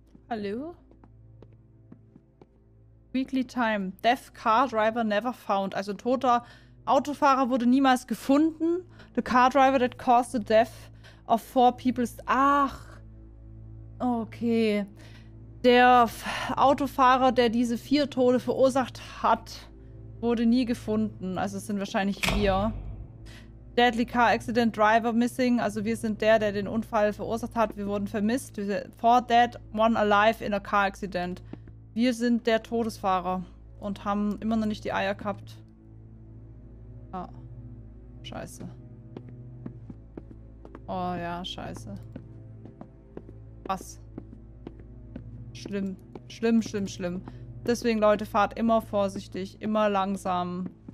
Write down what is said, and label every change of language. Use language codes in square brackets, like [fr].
[de] Hallo? [en] Weekly Time. Death Car Driver Never Found. [de] Also toter Autofahrer wurde niemals gefunden. [en] The car driver that caused the death of four people ist... [de] Ach! Okay. Der Autofahrer, der diese vier Tote verursacht hat, wurde nie gefunden. Also es sind wahrscheinlich wir. [en] Deadly Car Accident Driver Missing. [de] Also wir sind der, der den Unfall verursacht hat. Wir wurden vermisst. [en] Four dead, one alive in a car accident. [de] Wir sind der Todesfahrer und haben immer noch nicht die Eier gehabt. Ah. Scheiße. Oh ja, scheiße. Was? Schlimm. Schlimm, schlimm, schlimm. Deswegen, Leute, fahrt immer vorsichtig, immer langsam.